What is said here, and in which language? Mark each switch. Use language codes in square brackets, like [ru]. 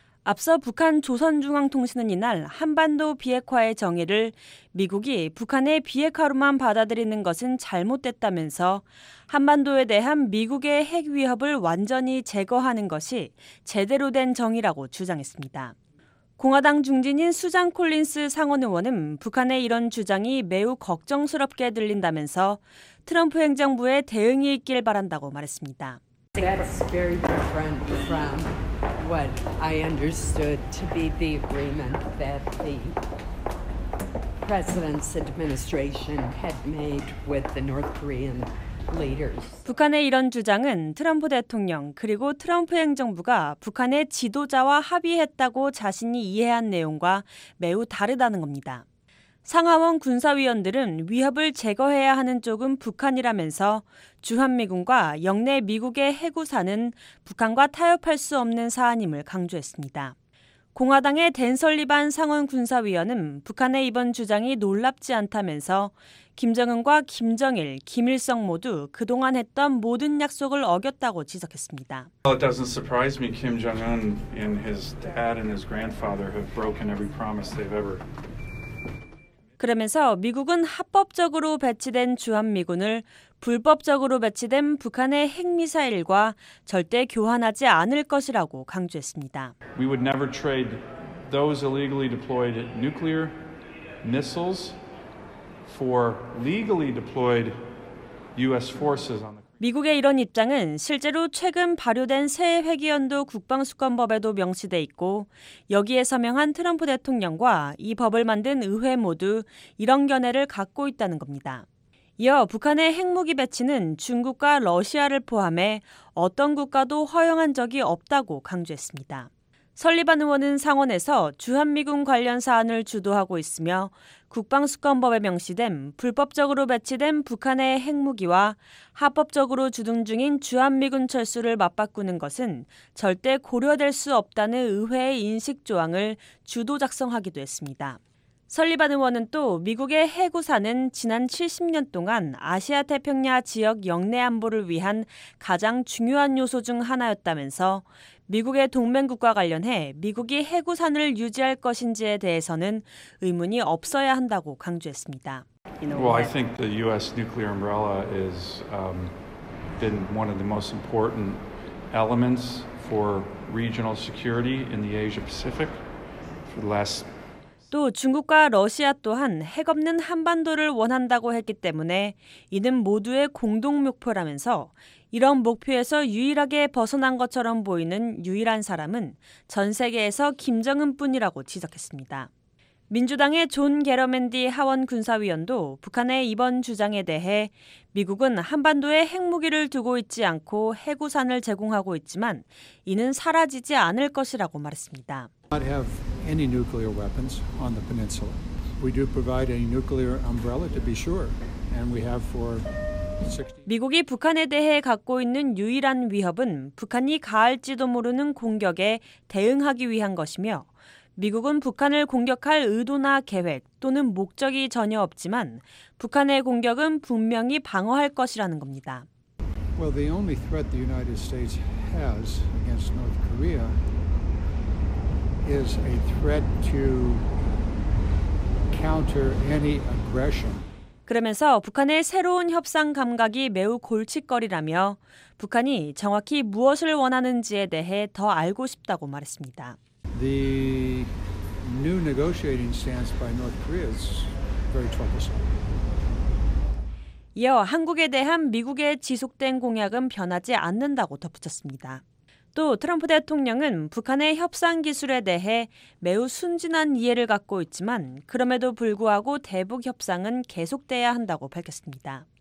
[ko] 앞서 북한 조선중앙통신은 이날 한반도 비핵화의 정의를 미국이 북한의 비핵화로만 받아들이는 것은 잘못됐다면서 한반도에 대한 미국의 핵 위협을 완전히 제거하는 것이 제대로 된 정의라고 주장했습니다. 공화당 중진인 수잔 콜린스 상원 의원은 북한의 이런 주장이 매우 걱정스럽게 들린다면서 트럼프 행정부의 대응이 있길 바란다고 말했습니다. [en] That's very different from what I understood to be the agreement that the president's administration had made with the North Korean leaders. [ko] 북한의 이런 주장은 트럼프 대통령 그리고 트럼프 행정부가 북한의 지도자와 합의했다고 자신이 이해한 내용과 매우 다르다는 겁니다. 상하원 군사위원들은 위협을 제거해야 하는 쪽은 북한이라면서 주한미군과 역내 미국의 핵우산은 북한과 타협할 수 없는 사안임을 강조했습니다. 공화당의 댄 설리반 상원 군사위원은 북한의 이번 주장이 놀랍지 않다면서 김정은과 김정일, 김일성 모두 그동안 했던 모든 약속을 어겼다고 지적했습니다. [en] Well, it doesn't surprise me Kim Jong-un and his dad and his grandfather have broken every promise they've ever. [ko] 그러면서 미국은 합법적으로 배치된 주한미군을 불법적으로 배치된 북한의 핵미사일과 절대 교환하지 않을 것이라고 강조했습니다. [en] We would never trade those illegally deployed nuclear missiles for legally deployed U.S. forces on the [ko] 미국의 이런 입장은 실제로 최근 발효된 새 회기연도 국방수권법에도 명시돼 있고 여기에 서명한 트럼프 대통령과 이 법을 만든 의회 모두 이런 견해를 갖고 있다는 겁니다. 이어 북한의 핵무기 배치는 중국과 러시아를 포함해 어떤 국가도 허용한 적이 없다고 강조했습니다. 설리반 의원은 상원에서 주한미군 관련 사안을 주도하고 있으며 국방수권법에 명시된 불법적으로 배치된 북한의 핵무기와 합법적으로 주둔 중인 주한미군 철수를 맞바꾸는 것은 절대 고려될 수 없다는 의회의 인식 조항을 주도 작성하기도 했습니다. 설리반 의원은 또 미국의 해구사는 지난 70년 동안 아시아 태평양 지역 영내 안보를 위한 가장 중요한 요소 중 하나였다면서 미국의 동맹국과 관련해 미국이 해구산을 유지할 것인지에 대해서는 의문이 없어야 한다고 강조했습니다. [en] Well, I think the US nuclear umbrella is been one of the most important elements for regional security in the Asia Pacific for the last [ko] 또 중국과 러시아 또한 핵 없는 한반도를 원한다고 했기 때문에 이는 모두의 공동 목표라면서 이런 목표에서 유일하게 벗어난 것처럼 보이는 유일한 사람은 전 세계에서 김정은뿐이라고 지적했습니다. 민주당의 존 게러맨디 하원 군사위원도 북한의 이번 주장에 대해 미국은 한반도에 핵무기를 두고 있지 않고 해구산을 제공하고 있지만 이는 사라지지 않을 것이라고 말했습니다. [en] Not have any nuclear weapons on the peninsula. We do provide a nuclear umbrella to be sure, and we have for [ko] 미국이 북한에 대해 갖고 있는 유일한 위협은 북한이 가할지도 모르는 공격에 대응하기 위한 것이며 미국은 북한을 공격할 의도나 계획 또는 목적이 전혀 없지만 북한의 공격은 분명히 방어할 것이라는 겁니다. [en] Well, the only threat the United States has against North Korea is a threat to counter any aggression. [ko] 그러면서 북한의 새로운 협상 감각이 매우 골칫거리라며 북한이 정확히 무엇을 원하는지에 대해 더 알고 싶다고 말했습니다. [en] The new negotiating stance by North Korea is very troublesome. [ko] 이어 한국에 대한 미국의 지속된 공약은 변하지 않는다고 덧붙였습니다. 또 트럼프 대통령은 북한의 협상 기술에 대해 매우 순진한 이해를 갖고 있지만 그럼에도 불구하고 대북 협상은 계속돼야 한다고 밝혔습니다.